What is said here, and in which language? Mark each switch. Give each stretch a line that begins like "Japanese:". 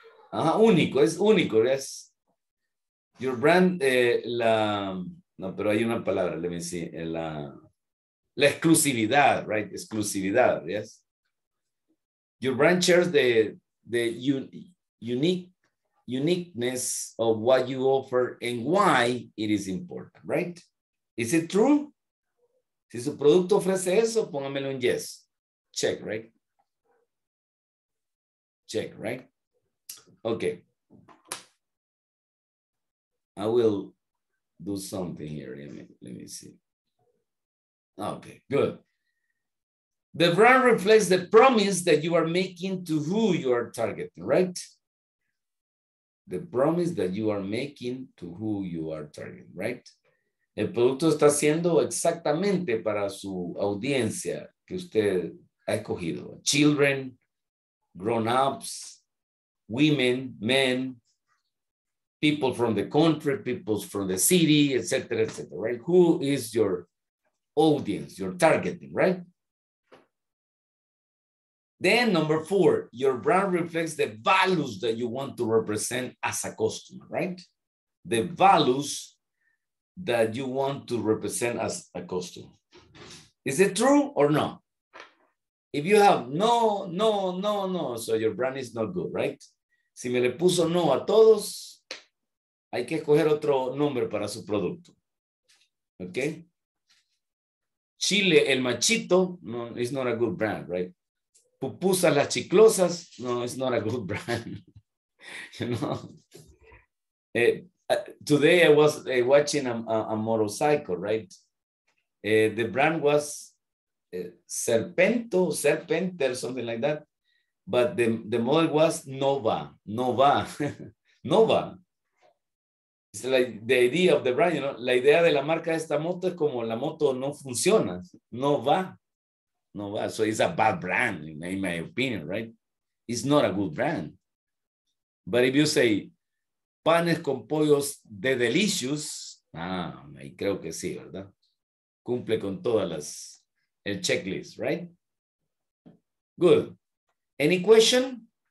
Spanish: Ajá, único, es único, ¿ves?
English: Your brand,
Spanish: la, no, pero hay una palabra,
English: let me see,
Spanish: la... La exclusividad, right? Exclusividad, yes.
English: Your brand shares the uniqueness of what you offer and why it is important, right? Is it true?
Spanish: Si su producto ofrece eso, póngamelo en yes.
English: Check, right? Okay. I will do something here. Let me see. Okay, good. The brand reflects the promise that you are making to who you are targeting, right? The promise that you are making to who you are targeting, right?
Spanish: El producto está haciendo exactamente para su audiencia que usted ha escogido.
English: Children, grown-ups, women, men, people from the country, people from the city, et cetera, right? Who is your audience, you're targeting, right? Then number four, your brand reflects the values that you want to represent as a customer, right? The values that you want to represent as a customer. Is it true or no? If you have no, no, no, no, so your brand is not good, right?
Spanish: Si me le puso no a todos, hay que escoger otro nombre para su producto.
English: Okay? Chile el machito, no, it's not a good brand, right? Pupusas las chiclosas, no, it's not a good brand. Today I was watching a motorcycle, right? The brand was Serpento, Serpente, or something like that. But the model was Nova, Nova, Nova. It's like the idea of the brand, you know?
Spanish: La idea de la marca de esta moto es como la moto no funciona, no va, no va.
English: So it's a bad brand, in my opinion, right? It's not a good brand. But if you say panes con pollos de delicious,
Spanish: ahí creo que sí, ¿verdad? Cumple con todas las, el checklist, right?
English: Good. Any question?